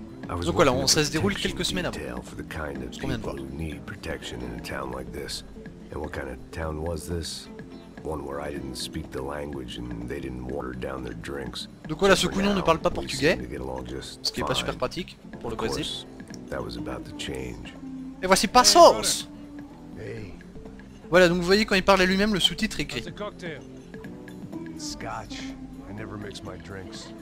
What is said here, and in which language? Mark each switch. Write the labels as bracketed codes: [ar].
[fr] Donc voilà, on se déroule quelques semaines avant. Combien de fois? [en] Who need protection in a town like this? And what kind of town was this? One where I didn't speak the language and they didn't water down their drinks. [fr] Donc voilà, ce couillon ne parle pas portugais. Ce qui n'est pas super pratique pour le Brésil. [en] That was about to change. [fr] Et voici Passos. Hey. Voilà, donc vous voyez quand il parle à lui-même, le sous-titre écrit. [en] Scotch. I never mix my drinks.